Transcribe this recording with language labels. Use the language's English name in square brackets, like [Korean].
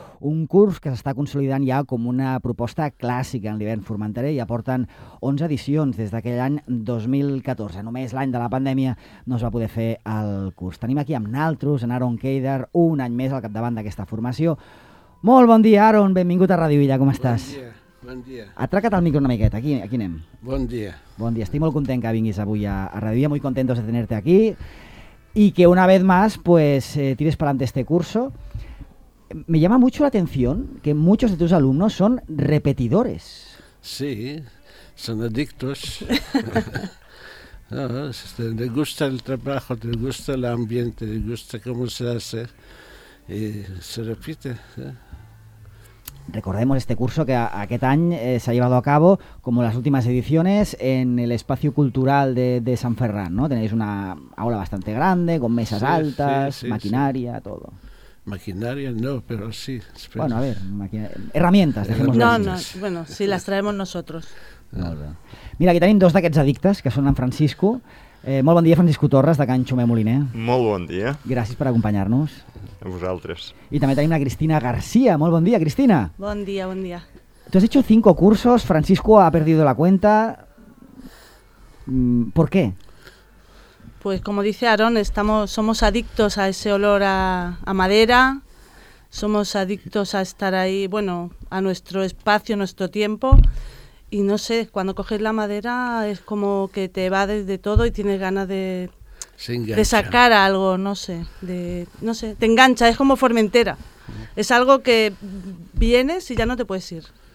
[Catalan] Un curs que s'està consolidant ja com una proposta clàssica en l'hivern formenterer i aporten 11 edicions des d'aquell any 2014. Només l'any de la pandèmia no es va poder fer el curs. Tenim aquí amb naltros en Aaron Kader, un any més al capdavant d'aquesta formació. Molt bon dia, Aaron. Benvingut a Ràdio Illa. Com estàs? Bon dia. Bon dia. Atraca't el micro una miqueta, aquí anem. Bon dia. Bon dia, estic molt content que vinguis avui a Radio Illa, [Spanish] muy contentos de tenerte aquí, y que una vez más, pues, tires para adelante este curso. Me llama mucho la atención que muchos de tus alumnos son repetidores. Sí, son adictos. No, les gusta el trabajo, les gusta el ambiente, les gusta cómo se hace, y se repite, ¿eh? Recordemos este curso que [Catalan] aquest any [Spanish] s'ha llevado a cabo como las últimas ediciones en el espacio cultural de San Ferran, ¿no? Tenéis una aula bastante grande, con mesas altas, maquinaria. Todo. Maquinaria no, pero sí. Pero... Bueno, a ver, herramientas, dejemos. No, bueno, sí, las traemos nosotros. [Catalan] Mira, aquí tenim dos d'aquests addictes, que són en Francisco. Molt bon dia, Francisco Torres, de Can Xumer Moliner. Molt bon dia. Gràcies per acompanyar-nos. A vosaltres. I també tenim la Cristina García. Molt bon dia, Cristina. Bon dia, bon dia. [Spanish] Tu has hecho 5 cursos, Francisco ha perdido la cuenta. ¿Por qué? Pues como dice Aaron, somos adictos a ese olor a madera, somos adictos a estar ahí, bueno, a nuestro espacio, nuestro tiempo, y no sé, cuando coges la madera es como que te evades de todo y tienes ganas de sacar algo, no sé, te engancha, es como Formentera, es algo que vienes y ya no te puedes ir.